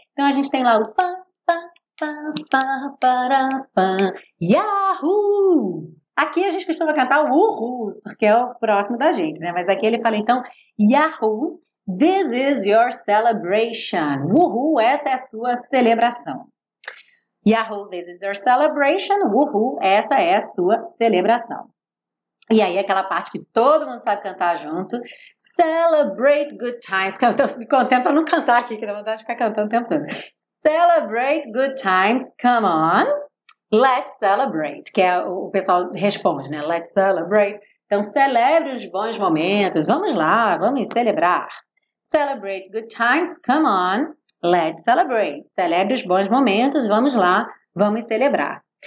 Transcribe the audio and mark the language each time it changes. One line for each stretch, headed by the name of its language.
Portuguese: Então a gente tem lá o pam, pam, pam, pam, pam, pam, Yahoo! Aqui a gente costuma cantar o Uhul, porque é o próximo da gente, né? Mas aqui ele fala, então, Yahoo,
English: this is your celebration.
Portuguese: Uhul, essa é a sua celebração.
English: Yahoo, this is your celebration.
Portuguese: Uhul, essa é a sua celebração. E aí, aquela parte que todo mundo sabe cantar junto.
English: Celebrate good times.
Portuguese: Eu tô me contendo pra não cantar aqui, que dá vontade de ficar cantando o tempo todo.
English: Celebrate good times, come on. Let's celebrate,
Portuguese: que é o pessoal responde, né? Let's celebrate. Então, celebre os bons momentos. Vamos lá, vamos celebrar.
English: Celebrate good times, come on. Let's celebrate.
Portuguese: Celebre os bons momentos. Vamos lá, vamos celebrar.